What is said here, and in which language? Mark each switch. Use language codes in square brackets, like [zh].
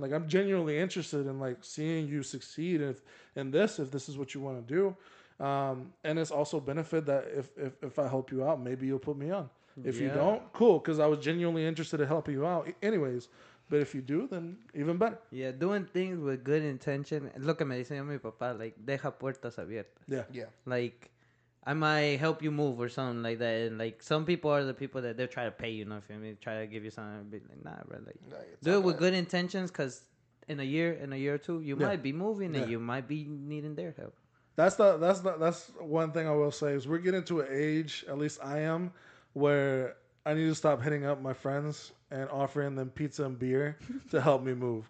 [en] Like, I'm genuinely interested in, like, seeing you succeed if this is what you want to do. And it's also benefit that if I help you out, maybe you'll put me on. If you don't, cool, because I was genuinely interested in helping you out. Anyways. But if you do, then even better. Yeah, doing things with good intention. [es] Lo que me dice mi papá, like, deja puertas abiertas. [en] Yeah. Yeah. Like, I might help you move or something like that. And, like, some people are the people that they'll try to pay you, you know what I mean? Try to give you something. And be like, nah, bro. Like, nah, do it with good intentions because in a year or two, you might be moving and you might be needing their help. That's one thing I will say is we're getting to an age, at least I am, where I need to stop hitting up my friends and offering them pizza and beer to help me move.